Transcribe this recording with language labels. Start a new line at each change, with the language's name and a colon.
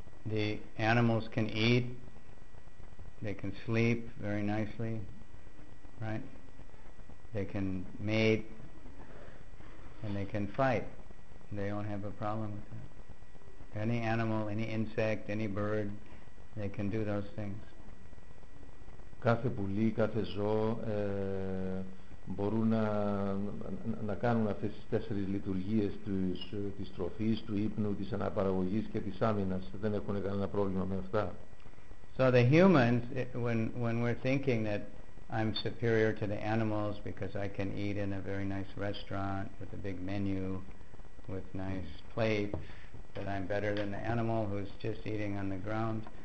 English: The animals can eat, they can sleep very nicely, right? They can mate, and they can fight. They don't have a problem with that. Any animal, any insect, any bird, they can do those things.
Greek: Κάθε πουλί, κάθε ζώο μπορούν να κάνουν αυτές τις τέσσερις λειτουργίες της τροφής, του ύπνου, της αναπαραγωγής και της άμυνας. Δεν έχουν κανένα πρόβλημα με αυτά.
English: So the humans, when we're thinking that I'm superior to the animals because I can eat in a very nice restaurant with a big menu, with nice plates, that I'm better than the animal who's just eating on the ground.